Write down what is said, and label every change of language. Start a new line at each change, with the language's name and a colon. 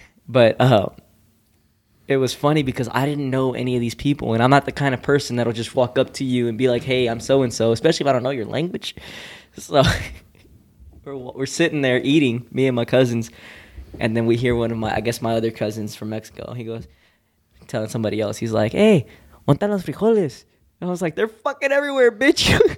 English: But it was funny because I didn't know any of these people, and I'm not the kind of person that'll just walk up to you and be like, hey, I'm so-and-so, especially if I don't know your language. So we're sitting there eating, me and my cousins, and then we hear one of my, I guess, my other cousins from Mexico. He goes, telling somebody else, he's like, hey,
Spanish: ¿dónde están los frijoles?
English: And I was like, they're fucking everywhere, bitch.